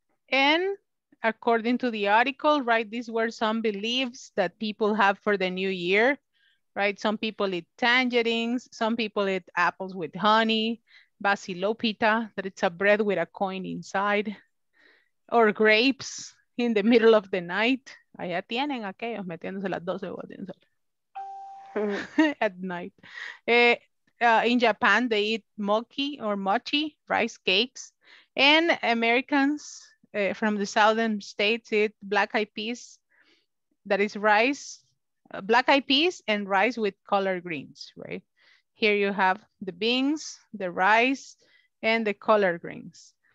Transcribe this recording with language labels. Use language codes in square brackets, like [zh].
[en] And according to the article, right, these were some beliefs that people have for the new year, right? Some people eat tangerines, some people eat apples with honey, basilopita, that it's a bread with a coin inside, or grapes in the middle of the night. [es] Allá tienen aquellos metiéndose las 12 uvas [en] at night. In Japan, they eat mochi, rice cakes. And Americans from the southern states eat black eyed peas, that is rice, black eyed peas and rice with collard greens, right? Here you have the beans, the rice, and the collard greens.